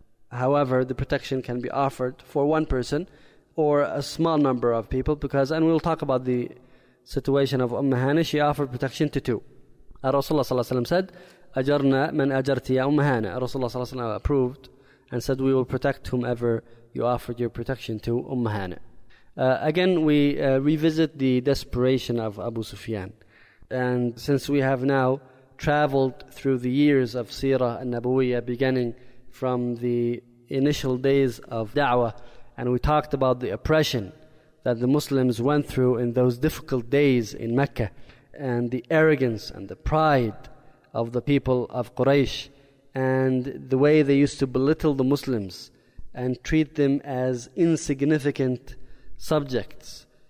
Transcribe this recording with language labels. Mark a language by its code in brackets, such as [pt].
[en] However, the protection can be offered for one person or a small number of people because, and we'll talk about the situation of Umm Hani, she offered protection to two. Rasulullah ﷺ said, [ar] أَجَرْنَا مَنْ أَجَرْتِ يَا أُمَّ هَانَ. [en] Rasulullah ﷺ approved and said, we will protect whomever you offered your protection to, Umm Hani. Again, we revisit the desperation of Abu Sufyan. And since we have now traveled through the years of Sirah al-Nabawiyyah, beginning from the initial days of Da'wah, and we talked about the oppression that the Muslims went through in those difficult days in Mecca, and the arrogance and the pride of the people of Quraysh, and the way they used to belittle the Muslims and treat them as insignificant subjects.